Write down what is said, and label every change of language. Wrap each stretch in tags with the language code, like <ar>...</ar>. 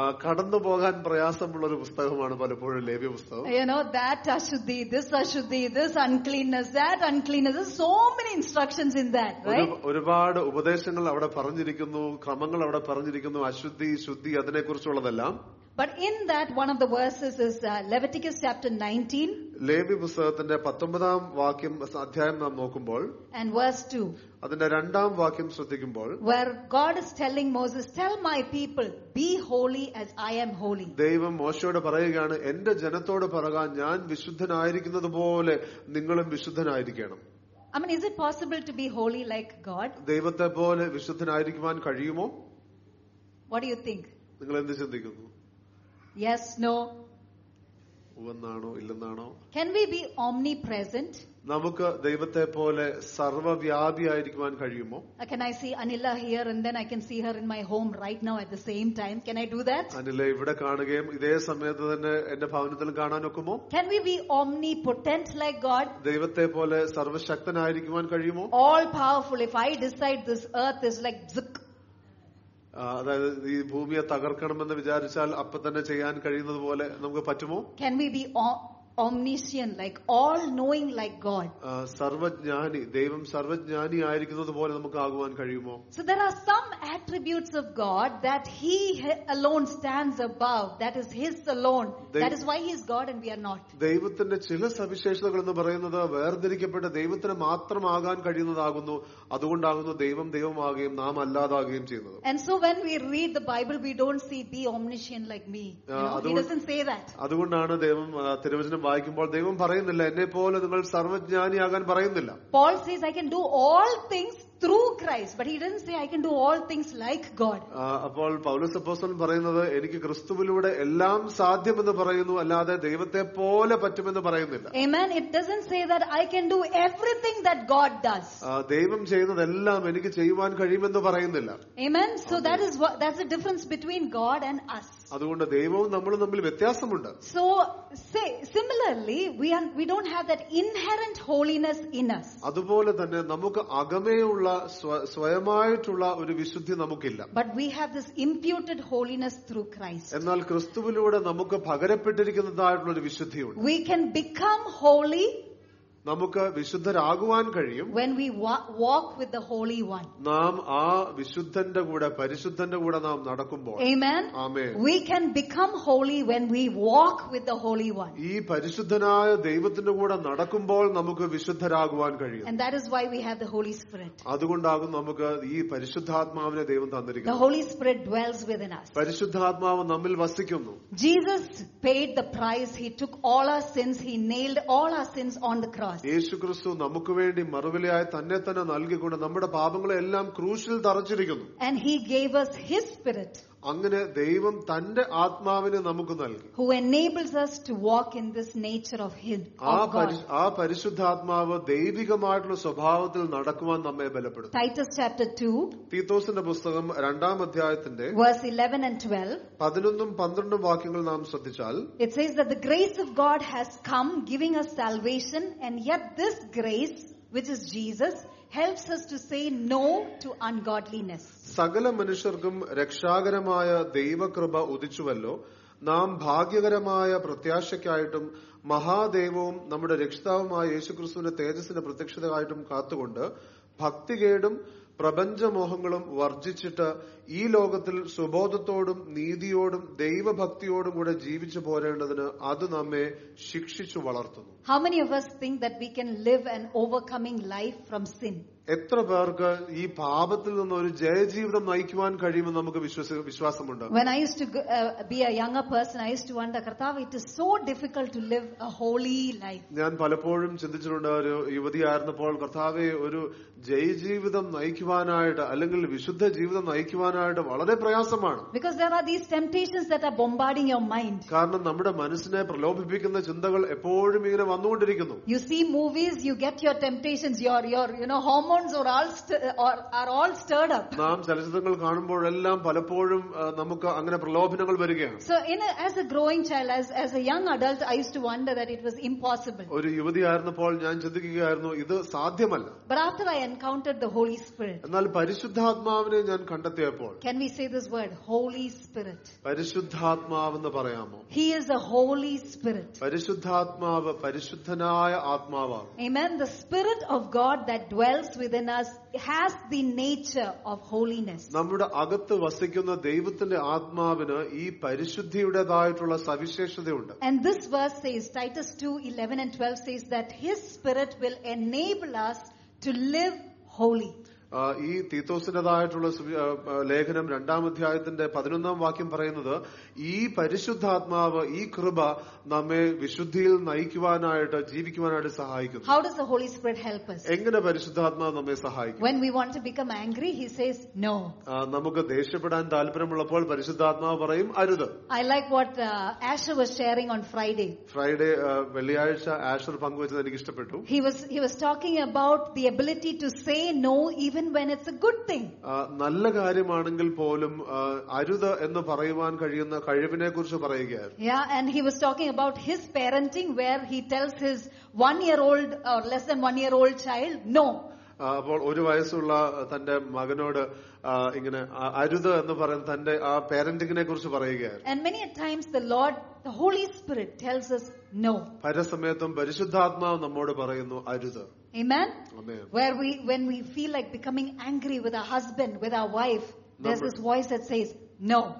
<ml>കടന്നു പോകാൻ പ്രയാസമുള്ള ഒരു പുസ്തകമാണ് പലപ്പോഴും ലേവി പുസ്തകം.</ml> <en>You know, that ashuddhi, this ashuddhi, this uncleanness, that uncleanness, there's so many instructions in that, right?</en> <ml>ഒരുപാട് ഉപദേശങ്ങൾ അവിടെ പറഞ്ഞിരിക്കുന്നു, ക്രമങ്ങൾ അവിടെ പറഞ്ഞിരിക്കുന്നു, അശുദ്ധി ശുദ്ധി അതിനെ കുറിച്ചുള്ളതെല്ലാം.</ml> <en>But in that, one of the verses is Leviticus chapter 19.</en> <ml>Levi പുസ്തകത്തിന്റെ 19-ാം വാക്യം അധ്യായം നാം നോക്കുമ്പോൾ,</ml> <en>and verse 2,</en> <ml>അതിന്റെ 2-ാം വാക്യം ശ്രദ്ധിക്കുമ്പോൾ,</ml> <en>where God is telling Moses, tell my people, be holy as I am holy.</en> <ml>ദൈവം മോശയോട് പറയുകയാണ്, എന്റെ ജനത്തോട് പറയുക, ഞാൻ വിശുദ്ധനായിരിക്കുന്നതുപോലെ നിങ്ങളും വിശുദ്ധനായിരിക്കണം.</ml> <en>I mean, is it possible to be holy like God?</en> <ml>ദൈവത്തെ പോലെ വിശുദ്ധനായിരിക്കുവാൻ കഴിയുമോ?</ml> <en>What do you think?</en> <ml>നിങ്ങൾ എന്ത് ചിന്തിക്കുന്നു?</ml> <en>Yes, no.</en> <ml>ഉവന്നാണോ ഇല്ലെന്നാണോ?</ml> <en>Can we be omnipresent?</en> <ml>നമുക്ക് ദൈവത്തെ പോലെ സർവ്വവ്യാപിയായിരിക്കുവാൻ കഴിയുമോ?</ml> <en>Can I see Anila here and then I can see her in my home right now at the same time? Can I do that?</en> <ml>Anila ഇവിടെ കാണുകയും ഇതേ സമയത്ത് തന്നെ എന്റെ ഭവനത്തിലും കാണാനൊക്കുമോ?</ml> <en>Can we be omnipotent like God?</en> <ml>ദൈവത്തെ പോലെ സർവ്വശക്തനായിരിക്കുവാൻ കഴിയുമോ?</ml> <en>All powerful. If I decide this earth is like zik,</en> <ml>അതായത് ഈ ഭൂമിയെ തകർക്കണമെന്ന് വിചാരിച്ചാൽ അപ്പൊ തന്നെ ചെയ്യാൻ കഴിയുന്നത് പോലെ നമുക്ക് പറ്റുമോ?</ml> <en>Can we be omniscient, like all knowing like God?</en> <ml>സർവജ്ഞാനി, ദൈവം സർവജ്ഞാനി ആയിരിക്കുന്നത് പോലെ നമുക്ക് ആകുവാൻ കഴിയുമോ?</ml> <en>So there are some attributes of God that he alone stands above, that is his alone. That is why he is God and we are not.</en> <ml>ദൈവത്തിന്റെ ചില സവിശേഷതകൾ എന്ന് പറയുന്നത് വേർതിരിക്കപ്പെട്ട ദൈവത്തിന് മാത്രമാകാൻ കഴിയുന്നതാകുന്നു. അതുകൊണ്ടാകുന്നു ദൈവം ദൈവമാകുകയും നാം അല്ലാതാകുകയും ചെയ്യുന്നത്.</ml> <en>And so when we read the Bible, we don't see be omniscient like me. He doesn't say that.</en> <ml>അതുകൊണ്ടാണ് ദൈവം തിരുവചനം വായിക്കുമ്പോൾ ദൈവം പറയുന്നില്ല എന്നെ പോലെ നിങ്ങൾ സർവജ്ഞാനിയാകാൻ പറയുന്നില്ല.</ml> <en>Paul says I can do all things through Christ, but he didn't say I can do all things like God.</en> <ml>അപ്പോൾ പൗലോസ് അപ്പോസ്തലൻ പറയുന്നത് എനിക്ക് ക്രിസ്തുവിലൂടെ എല്ലാം സാധ്യമെന്ന് പറയുന്നു, അല്ലാതെ ദൈവത്തെ പോലെ പറ്റുമെന്ന് പറയുന്നില്ല. ആമേൻ.</ml> <en>It doesn't say that I can do everything that God does.</en> <ml>ദൈവം ചെയ്യുന്നതെല്ലാം എനിക്ക് ചെയ്യുവാൻ കഴിയുമെന്ന് പറയുന്നില്ല. ആമേൻ.</ml> <en>So that's the difference between God and us.</en> <ml>അതുകൊണ്ട് ദൈവവും നമ്മളും തമ്മിൽ വ്യത്യാസമുണ്ട്.</ml> <en>So similarly we don't have that inherent holiness in us.</en> <ml>അതുപോലെ തന്നെ നമുക്ക് അകമേയുള്ള സ്വയമായിട്ടുള്ള ഒരു വിശുദ്ധി നമുക്കില്ല.</ml> <en>But we have this imputed holiness through Christ.</en> <ml>എന്നാൽ ക്രിസ്തുവിലൂടെ നമുക്ക് പകരപ്പെട്ടിരിക്കുന്നതായിട്ടുള്ള ഒരു വിശുദ്ധിയുണ്ട്.</ml> <en>we can become holy</en> <ml>നമുക്ക് വിശുദ്ധരാകുവാൻ കഴിയും.</ml> <en>When we walk with the Holy One.</en> <ml>നാം ആ വിശുദ്ധന്റെ കൂടെ പരിശുദ്ധന്റെ കൂടെ നാം നടക്കുമ്പോൾ.</ml> <en>Amen. Amen. We can become holy when we walk with the Holy One.</en> <ml>ഈ പരിശുദ്ധനായ ദൈവത്തിന്റെ കൂടെ നടക്കുമ്പോൾ നമുക്ക് വിശുദ്ധരാകുവാൻ കഴിയും.</ml> <en>And that is why we have the Holy Spirit.</en> <ml>അതുകൊണ്ടാകും നമുക്ക് ഈ പരിശുദ്ധാത്മാവിനെ ദൈവം തന്നിരിക്കുന്നത്.</ml> <en>The Holy Spirit dwells within us.</en> <ml>പരിശുദ്ധാത്മാവ് നമ്മിൽ വസിക്കുന്നു.</ml> <en>Jesus paid the price. He took all our sins. He nailed all our sins on the cross.</en> <ml>യേശു ക്രിസ്തു നമുക്ക് വേണ്ടി മറുവിലയായി തന്നെ തന്നെ നൽകിക്കൊണ്ട് നമ്മുടെ പാപങ്ങളെല്ലാം ക്രൂശിൽ തറച്ചിരിക്കുന്നു.</ml> <en>And he gave us his spirit.</en> <ml>അങ്ങനെ ദൈവം തന്റെ ആത്മാവിനെ നമുക്ക് നൽകി.</ml> <en>Who enables us to walk in this nature of him.</en> <ml>ആ പരിശുദ്ധാത്മാവ് ദൈവികമായിട്ടുള്ള സ്വഭാവത്തിൽ നടക്കുവാൻ നമ്മെ ബലപ്പെടുത്തും.</ml> <en>Titus chapter 2.</en> <ml>തീത്തോസിന്റെ പുസ്തകം രണ്ടാം അധ്യായത്തിന്റെ</ml> <en>verse 11 and 12.</en> <ml>11ഉം 12ഉം വാക്യങ്ങൾ നാം ശ്രദ്ധിച്ചാൽ</ml> <en>it says that the grace of God has come giving us salvation and yet this grace which is Jesus helps us to say no to ungodliness.</en> <ml>സകല മനുഷ്യർക്കും രക്ഷാകരമായ ദൈവകൃപ ഉദിച്ചുവല്ലോ നാം ഭാഗ്യകരമായ പ്രത്യാശയ്ക്കായിട്ടും മഹാദേവവും നമ്മുടെ രക്ഷിതാവുമായ യേശുക്രിസ്തുവിന്റെ തേജസ്സിന്റെ പ്രത്യക്ഷതയായിട്ടും കാത്തുകൊണ്ട് ഭക്തികേടും പ്രപഞ്ചമോഹങ്ങളും വർജിച്ചിട്ട് ഈ ലോകത്തിൽ സുബോധത്തോടും നീതിയോടും ദൈവഭക്തിയോടും കൂടെ ജീവിച്ചു പോരേണ്ടതിന് അത് നമ്മെ ശിക്ഷിച്ചു വളർത്തുന്നു.</ml> <en>How many of us think that we can live an overcoming life from sin?</en> <ml>എത്ര പേർക്ക് ഈ പാപത്തിൽ നിന്ന് ഒരു ജയജീവിതം നയിക്കുവാൻ കഴിയുമെന്ന് നമുക്ക് വിശ്വാസമുണ്ട്.</ml> <en>When I used to be a younger person, I used to wonder,</en> <ml>Kartav,</ml> <en>it is so difficult to live a holy life.</en> <ml>ഞാൻ പലപ്പോഴും ചിന്തിച്ചിട്ടുണ്ട്, ഒരു യുവതിയായിരുന്നപ്പോൾ, കർത്താവേ, ഒരു ജയജീവിതം നയിക്കുവാനായിട്ട് അല്ലെങ്കിൽ വിശുദ്ധ ജീവിതം നയിക്കുവാനായിട്ട് വളരെ പ്രയാസമാണ്.</ml> <en>Because there are these temptations that are bombarding your mind.</en> <ml>കാരണം നമ്മുടെ മനസ്സിനെ പ്രലോഭിപ്പിക്കുന്ന ചിന്തകൾ എപ്പോഴും ഇങ്ങനെ വന്നുകൊണ്ടിരിക്കുന്നു.</ml> <en>You see movies, you get your temptations, your hormones are all stirred up.</en> <ml>നാം ചലച്ചിത്രങ്ങൾ കാണുമ്പോഴെല്ലാം പലപ്പോഴും നമുക്ക് അങ്ങനെ പ്രലോഭനങ്ങൾ വരികയാണ്.</ml> <en>So as a growing child, as a young adult, I used to wonder that it was impossible.</en> <ml>ഒരു യുവതിയായിരുന്നപ്പോൾ ഞാൻ ചിന്തിക്കുകയായിരുന്നു, ഇത് സാധ്യമല്ല.</ml> <en>But after I encountered the Holy Spirit.</en> <ml>എന്നാൽ പരിശുദ്ധാത്മാവിനെ ഞാൻ കണ്ടെത്തിയപ്പോൾ.</ml> <en>Can we say this word, Holy Spirit?</en> <ml>പരിശുദ്ധാത്മാവ് എന്ന് പറയാമോ?</ml> <en>He is a Holy Spirit.</en> <ml>പരിശുദ്ധാത്മാവ് പരിശുദ്ധനായ ആത്മാവാണ്.</ml> <en>Amen. The Spirit of God that dwells within us has the nature of holiness.</en> <ml>നമ്മുടെ അകത്തു വസിക്കുന്ന ദൈവത്തിന്റെ ആത്മാവിന് ഈ പരിശുദ്ധിയുടേതായിട്ടുള്ള സവിശേഷതയുണ്ട്.</ml> <en>And this verse says, Titus 2:11 and 12 says that his spirit will enable us to live holy.</en> <ml>ഈ തീത്തോസിന്റേതായിട്ടുള്ള ലേഖനം രണ്ടാം അധ്യായത്തിന്റെ 11ാം വാക്യം പറയുന്നത് ഈ പരിശുദ്ധാത്മാവ് ഈ കൃപ നമ്മെ വിശുദ്ധിയിൽ നയിക്കുവാനായിട്ട് ജീവിക്കുവാനായിട്ട് സഹായിക്കുന്നു.</ml> <en>How does the Holy Spirit help us?</en> <ml>എങ്ങനെ പരിശുദ്ധാത്മാവ് നമ്മെ സഹായിക്കും?</ml> <en>When we want to become angry, he says no.</en> <ml>നമുക്ക് ദേഷ്യപ്പെടാൻ താല്പര്യമുള്ളപ്പോൾ പരിശുദ്ധാത്മാവ് പറയും അരുത്.</ml> <en>I like what Asher was sharing on Friday.</en> <ml>Friday വെള്ളിയാഴ്ച ആഷർ പങ്കുവച്ചത് എനിക്ക് ഇഷ്ടപ്പെട്ടു.</ml> <en>He was talking about the ability to say no even when it's a good thing.</en> <ml>നല്ല കാര്യമാണെങ്കിൽ പോലും അരുത് എന്ന് പറയുവാൻ കഴിയുന്ന കഴിവിനെ കുറിച്ച് പറയുകയായിരുന്നു.</ml> <en>Yeah, and he was talking about his parenting where he tells his less than one year old child no.</en> <ml>അപ്പോൾ ഒരു വയസ്സുള്ള തന്റെ മകനോട് ഇങ്ങനെ അരുത് എന്ന് പറയുന്ന തന്റെ ആ പേരന്റിങ്ങിനെ കുറിച്ച് പറയുകയായിരുന്നു.</ml> <en>And many a times the Lord, the Holy Spirit tells us no.</en> <ml>പല സമയത്തും പരിശുദ്ധാത്മാവ് നമ്മോട് പറയുന്നു അരുത്.</ml> <en>Amen. Where when we feel like becoming angry with our husband, with our wife, there's this voice that says no.</en>